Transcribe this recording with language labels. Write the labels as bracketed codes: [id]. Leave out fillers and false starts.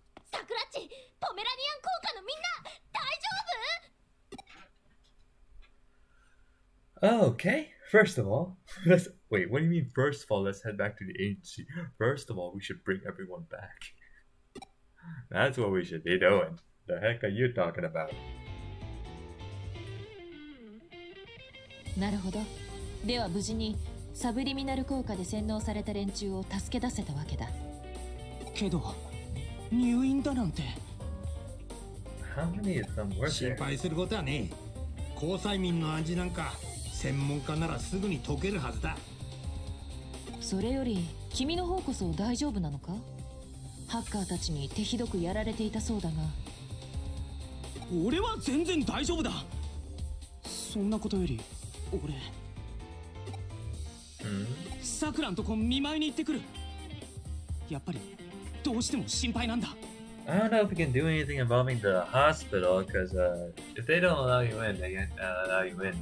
[ja] サクラッチ、ポメラニアン効果のみんな、大丈夫？ [en] Okay, first of all, let's wait. What do you mean, first of all, let's head back to the agency? First of all, we should bring everyone back. That's what we should be doing. The heck are you talking about? [ja] なるほど。では無事にサブリミナル効果で洗脳された連中を助け出せたわけだ。けど入院だなんて。 [en] How many of them were there? [ja] 心配することはねえ。交際民の味なんか専門家ならすぐに解けるはずだ。それより君の方こそ大丈夫なのか？ハッカーたちに手ひどくやられていたそうだが。俺は全然大丈夫だ。そんなことより俺、さくらんとこ見舞いに行ってくる。やっぱりどうしても心配なんだ。 [en] I don't know if we can do anything involving the hospital, because if they don't allow you in, they can't allow you in.